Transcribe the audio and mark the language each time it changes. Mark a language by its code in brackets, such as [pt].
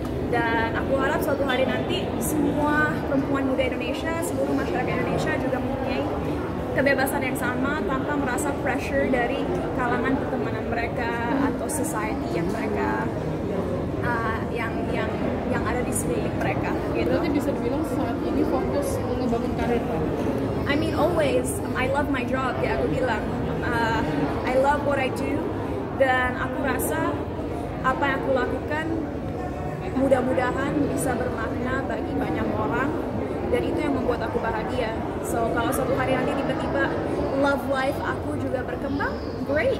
[id] Dan aku harap suatu hari nanti semua perempuan muda Indonesia, seluruh masyarakat Indonesia juga mempunyai kebebasan yang sama tanpa merasa pressure dari kalangan pertemanan mereka atau society yang mereka yang ada di sekeliling mereka. Gitu. Berarti bisa dibilang saat ini fokus mengembangkan karir. [en] I mean always, I love my job. [id] Ya aku bilang, [en] I love what I do. [id] Dan aku rasa apa yang aku lakukan mudah-mudahan bisa bermakna bagi banyak orang. Dan itu yang membuat aku bahagia. So kalau suatu hari nanti tiba-tiba love life aku juga berkembang, great.